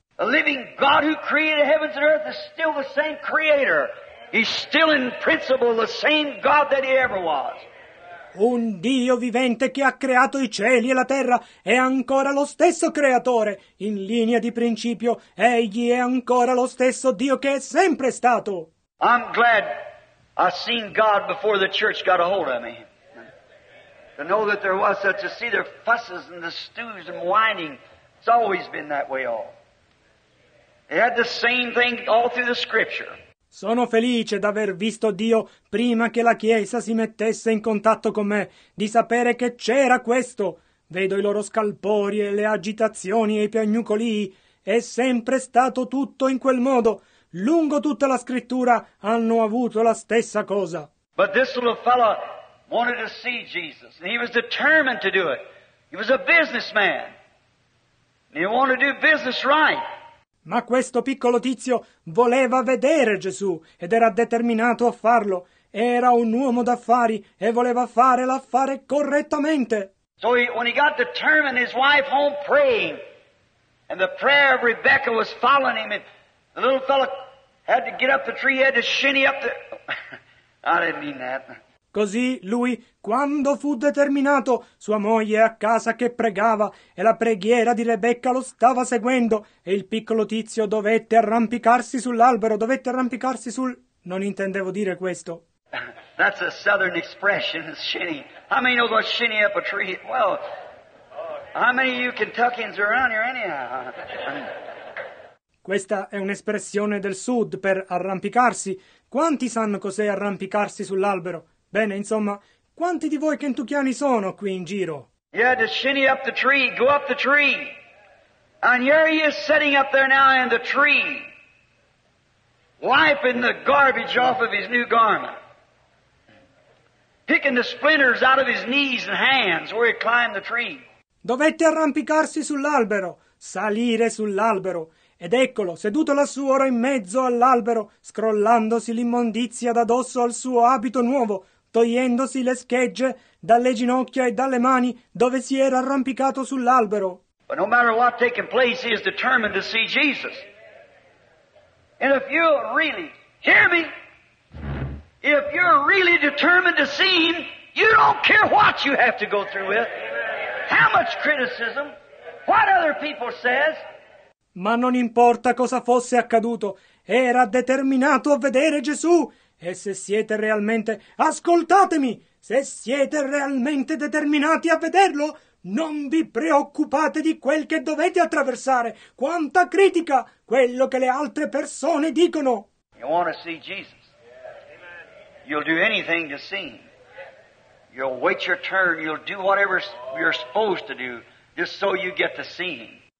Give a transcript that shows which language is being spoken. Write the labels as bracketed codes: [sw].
[en] A living God who created heavens and earth is still the same creator. He's still in principle the same God that he ever was. [it] Un Dio vivente che ha creato i cieli e la terra è ancora lo stesso creatore. In linea di principio, egli è ancora lo stesso Dio che è sempre stato. [en] I'm glad I seen God before the church got a hold of me. To know that there was such a see their fusses and the stews and whining. It's always been that way all. It had the same thing all through the scripture. [it] Sono felice d'aver visto Dio prima che la Chiesa si mettesse in contatto con me, di sapere che c'era questo. Vedo i loro scalpori e le agitazioni e i piagnucolii. È sempre stato tutto in quel modo. Lungo tutta la scrittura hanno avuto la stessa cosa. [en] But this little fellow wanted to see Jesus, and he was determined to do it. He was a businessman, and he wanted to do business right. [it] Ma questo piccolo tizio voleva vedere Gesù ed era determinato a farlo. Era un uomo d'affari e voleva fare l'affare correttamente. [en] So when he got determined, his wife home praying, and the prayer of Rebecca was following him, and the little fellow had to get up the tree, had to shinny up the... I didn't mean that. [it] Così lui, quando fu determinato, sua moglie a casa che pregava e la preghiera di Rebecca lo stava seguendo e il piccolo tizio dovette arrampicarsi sull'albero, dovette arrampicarsi sul... Non intendevo dire questo. [en] That's a southern expression, shinny. How many know about shinny up a tree? Well, how many of you Kentuckians are around here anyhow? [it] Questa è un'espressione del sud per arrampicarsi. Quanti sanno cos'è arrampicarsi sull'albero? Bene, insomma, quanti di voi kentuckiani sono qui in giro? [en] You had to shinny up the tree, go up the tree. And here he is sitting up there now in the tree, wiping the garbage off of his new garment, picking the splinters out of his knees and hands where he climbed the tree. [it] Dovette arrampicarsi sull'albero, salire sull'albero. Ed eccolo, seduto lassù ora in mezzo all'albero, scrollandosi l'immondizia da dosso al suo abito nuovo, togliendosi le schegge dalle ginocchia e dalle mani dove si era arrampicato sull'albero. [en] But no matter what taking place, he is determined to see Jesus. And if you really, hear me, if you're really determined to see him, you don't care what you have to go through with, how much criticism, what other people says. [it] Ma non importa cosa fosse accaduto, era determinato a vedere Gesù. E se siete realmente, ascoltatemi, se siete realmente determinati a vederlo, non vi preoccupate di quel che dovete attraversare, quanta critica, quello che le altre persone dicono. [en] You want to see Jesus. You'll do anything to see him. You'll wait your turn, you'll do whatever you're supposed to do, just so you get to see him.